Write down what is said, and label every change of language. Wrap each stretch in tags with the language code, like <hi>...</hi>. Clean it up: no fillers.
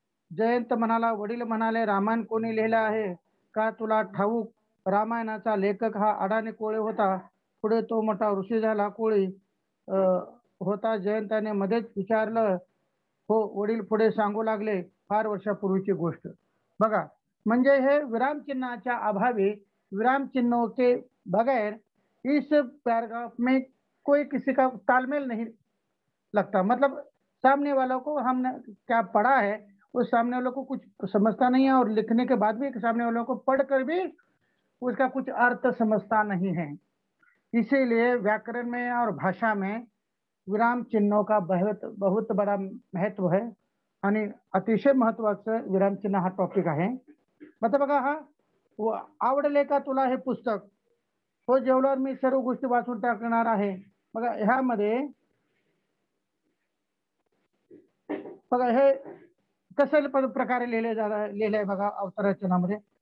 <mr>जयंत म्हणाला, वडील म्हणाले, रामायण कोणी लिहिलं आहे का तुला ठाऊक? रामायणाचा लेखक हा अडाणी कोळी होता, पुढे तो मोठा ऋषी झाला कोळी होता. जयंताने मध्येच विचारलं. हो, वडील पुढे सांगू लागले, फार वर्षापूर्वीची गोष्ट. बघा, म्हणजे हे विरामचिन्हाच्या अभावी</mr> <hi>विरामचिन्ह के बगैर इस पॅराग्राफ में कोई किसी का तालमेल नहीं लगता. मतलब सामने वालों को हमने क्या पढ़ा है उस सामने वालों को कुछ समझता नहीं है और लिखने के बाद भी सामने वालों को पढ़कर भी उसका कुछ अर्थ समझता नहीं है. इसीलिए व्याकरण में और भाषा में विराम चिन्हों का बहुत बहुत बड़ा महत्व है यानी</hi> <mr>अतिशय महत्वाच विराम चिन्ह हा टॉपिक</mr> <hi>है.</hi> <mr>मतलब बघा, हा वो आवडले का तुला हे पुस्तक? हो, जेवल्यावर मी सर्व गोष्टी वाचून टाकणार आहे. बघा ह्यामध्ये बघा हे कशा प्रकारे लिहिले जा लिहिले आहे बघा अवतरचनामध्ये.</mr>